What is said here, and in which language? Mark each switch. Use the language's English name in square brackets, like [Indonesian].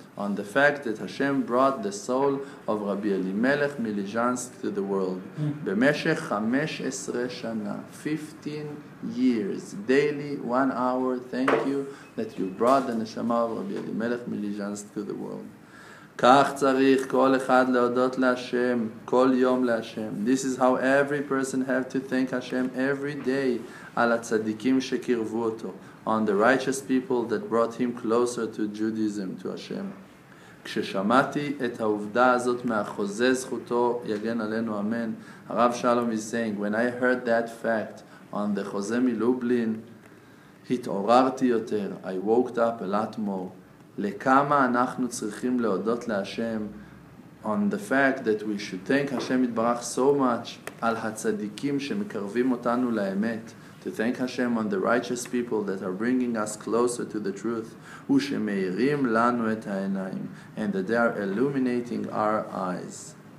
[English] On the fact that Hashem brought the soul of רבי אלימלך מליז'נסק to the world. [Hebrew] במשך 15 שנה, [English] 15 years, daily, one hour, thank you that you brought the neshama of רבי אלימלך מליז'נסק to the world. [Hebrew] כך צריך כל אחד להודות להשם, כל יום להשם. [English] This is how every person has to thank Hashem every day [Hebrew] על הצדיקים שקרבו אותו, [English] on the righteous people that brought him closer to Judaism, to Hashem. [Hebrew] כששמעתי את העובדה הזאת מהחוזה זכותו, יגן עלינו אמן, הרב שלום [English] is saying, when I heard that fact on the [Hebrew] חוזה מלובלין, התעוררתי יותר, [English] I woke up a lot more. [Hebrew] לכמה אנחנו צריכים להודות להשם [English] on the fact that we should thank Hashem יתברך so much [Hebrew] על הצדיקים שמקרבים אותנו לאמת, [English] to thank Hashem on the righteous people that are bringing us closer to the truth, [Hebrew] ושמאירים לנו את העיניים, [English] and that they are illuminating our eyes.